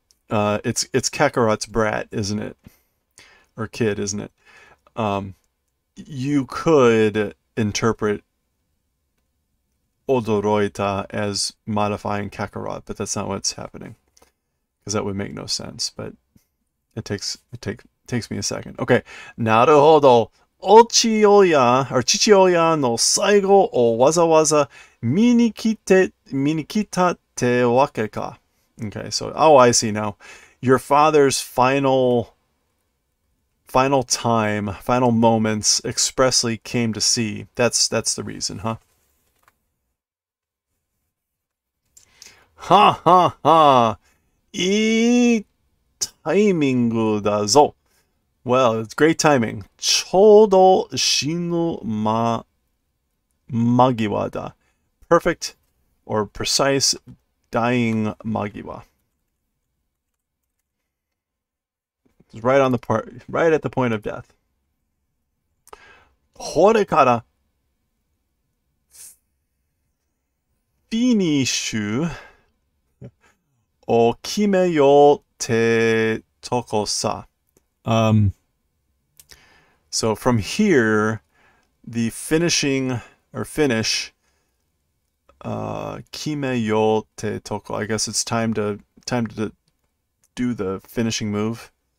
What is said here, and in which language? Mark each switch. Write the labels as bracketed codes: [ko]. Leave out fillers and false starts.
[en] It's Kakarot's brat, isn't it? Or kid, isn't it? You could interpret Odoroita as modifying Kakarot, but that's not what's happening. Because that would make no sense, but it takes me a second. Okay. [ja] なるほど。お父親、 [en] or [ja] 父親の最後をわざわざ見に来たってわけか。 [en] Okay, so oh, I see now. Your father's final time, final moments expressly came to see. That's the reason, huh? [ja] Ha ha ha! いいタイミングだぞ。 [en] Well, it's great timing. [ja] ちょうど死ぬ間際だ。 [en] Perfect or precise dying 間際。 Right at the point of death. [ja] これから、ニッシュを決めようってとこさ。 [en] So from here, the finishing or finish, [ja] 決めようってとこ。 [en] I guess it's time to do the finishing move.